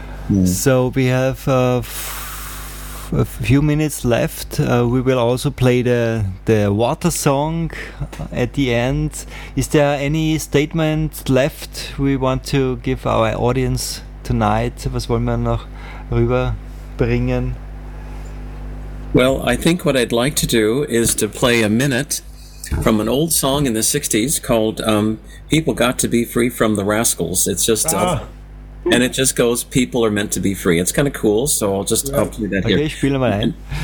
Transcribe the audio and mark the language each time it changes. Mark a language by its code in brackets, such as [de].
[en] Yeah. So we have a few minutes left. We will also play the water song at the end. Is there any statement left we want to give our audience tonight? [de] Was wollen wir noch rüberbringen? [en] Well, I think what I'd like to do is to play a minute from an old song in the 60s called People Got to Be Free from the Rascals. It's just... And it just goes, people are meant to be free. It's kind of cool, so I'll just play that here. [de] Okay, spiel mal ein.